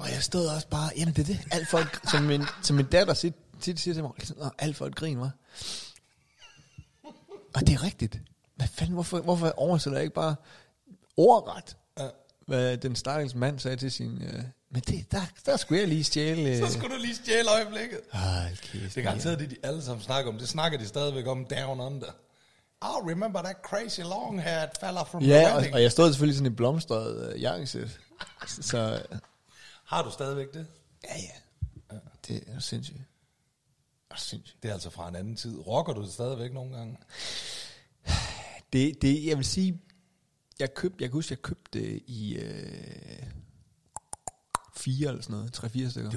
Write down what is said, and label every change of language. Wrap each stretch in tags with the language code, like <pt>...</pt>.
<da>Og jeg stod også bare, jamen det er det. Alt for et grin. Som min datter tit siger til mig, alt for et grin, hva'? Og det er rigtigt. Hvad fanden, hvorfor oversætter jeg ikke bare ordret? Hvad den stakkels mand sagde til sin... men det, der skulle jeg lige stjæle... Så skulle du lige stjæle øjeblikket. Okay, det er garanteret, det de alle sammen snakker om. Det snakker de stadigvæk om down under.</da> <en>I remember that crazy long hair that fell off from the wedding.</en> <da>Ja, og jeg stod selvfølgelig sådan i blomstret jakkesæt. Så har du stadigvæk det? Ja, ja. Det er sindssygt. Det er sindssygt. Det er altså fra en anden tid. Rocker du det stadigvæk nogle gange? Det, jeg vil sige... Jeg kan huske, jeg købte det i 4 eller sådan noget, 3-4 stykker.</da>